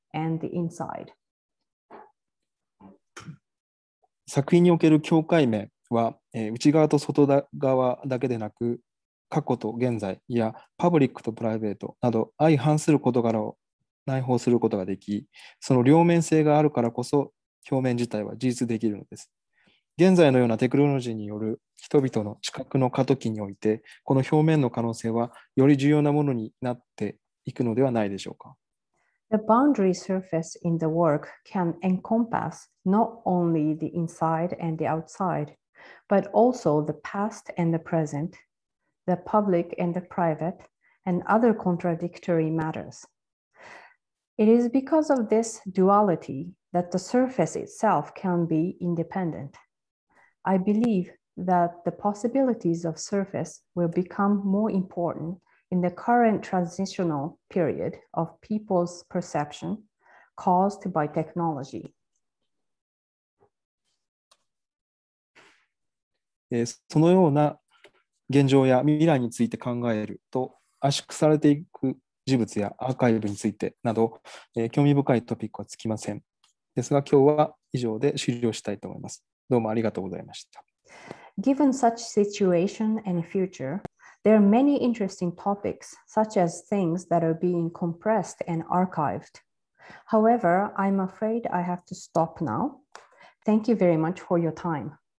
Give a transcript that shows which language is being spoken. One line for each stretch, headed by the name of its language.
English: And the inside.
Japanese: 作品における境界面は、内側と外側だけでなく過去と現在やパブリックとプライベートなど相反する事柄を内包することができその両面性があるからこそ表面自体は事実できるのです現在のようなテクノロジーによる人々の知覚の過渡期においてこの表面の可能性はより重要なものになっていくのではないでしょうか
English: The boundary surface in the work can encompass not only the inside and the outside, but also the past and the present, the public and the private, and other contradictory matters. It is because of this duality that the surface itself can be independent. I believe that the possibilities of surface will become more important. In the current transitional period of people's perception caused by technology.
Japanese: そのような現状や未来について考えると圧縮されていく事物やアーカイブについてなど、興味深いトピックはつきません。ですが今日は以上で終了したいと思います。どうもありがとうございました。
English: Given such situation and future,There are many interesting topics, such as things that are being compressed and archived. However, I'm afraid I have to stop now. Thank you very much for your time.